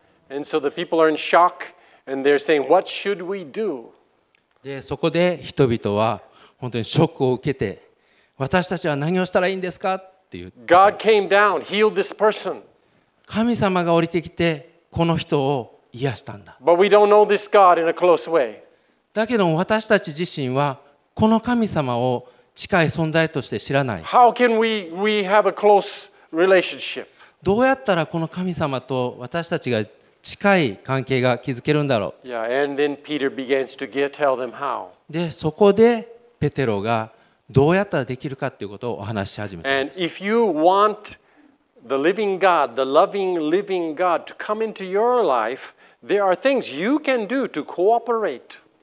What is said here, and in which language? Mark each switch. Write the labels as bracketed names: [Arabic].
[English] And so the people are in shock and they're saying, "What should we do?" [Japanese] で、そこで人々は本当にショックを受けて、私たちは何をしたらいいんですかって言って、 [English] God came down, healed this person. [Japanese] 神様が降りてきてこの人を癒したんだ。 [English] But we don't know this God in a close way. [Japanese] だけども私たち自身はこの神様を近い存在として知らない。 [English] How can we have a close relationship? [Japanese] どうやったらこの神様と私たちが近い関係が築けるんだろう。 [English] Yeah, and then Peter begins to get, tell them how. [Japanese] で、そこでペテロがどうやったらできるかということをお話し始めた。 [English] And if you want the living God, the loving living God to come into your life, there are things you can do to cooperate.